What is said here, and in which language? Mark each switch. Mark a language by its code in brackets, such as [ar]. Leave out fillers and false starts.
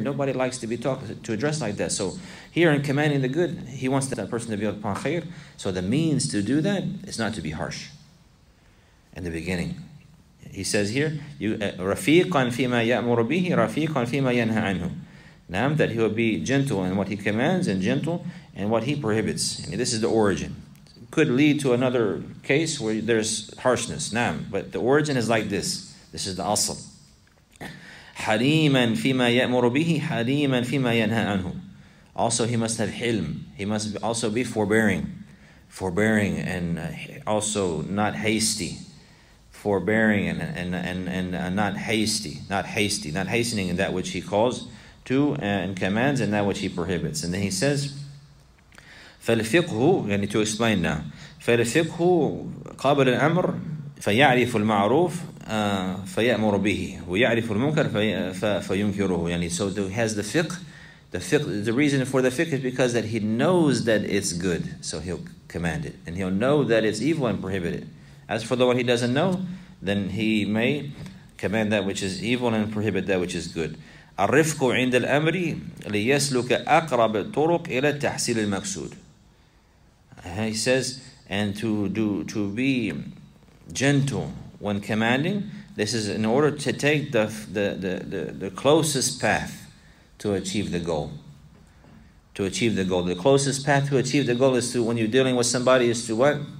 [en] Nobody likes to be talked to, addressed like that. So here in commanding the good, he wants that person to be upon khair. So the means to do that is not to be harsh in the beginning. He says here, [ar] رَفِيقًا فِيمَا يَأْمُرُ بِهِ رَفِيقًا فِيمَا يَنْهَى عَنْهُ. [en] Now that he will be gentle in what he commands and gentle in what he prohibits. And this is the origin. Could lead to another case where there's harshness. Naam. But the origin is like this. This is the asl. [ar] حَلِيمًا فِيمَا يَأْمُرُ بِهِ حَلِيمًا فِيمَا يَنْهَى عَنْهُ. [en] Also, he must have hilm. He must also be forbearing. Forbearing and also not hasty. Forbearing and not hasty. Not hastening in that which he calls to and commands and that which he prohibits. And then he says, [ar] فَالْفِقْهُ, [en] I need to explain now. [ar] فَالْفِقْهُ قَابَلَ الْأَمْرِ فَيَعْرِفُ الْمَعْرُوفِ فَيَأْمُرُ بِهِ وَيَعْرِفُ الْمُنْكَرِ فَيُنْكِرُهُ. [en] So he has the fiqh. The reason for the fiqh is because that he knows that it's good, so he'll command it. And he'll know that it's evil and prohibit it. As for the one he doesn't know, then he may command that which is evil and prohibit that which is good. [ar] الرفق عند الأمر ليسلك أقرب الطرق إلى تحصيل المقصود. [en] He says, and to be gentle when commanding, this is in order to take the closest path to achieve the goal. To achieve the goal. The closest path to achieve the goal is to, when you're dealing with somebody, is to what?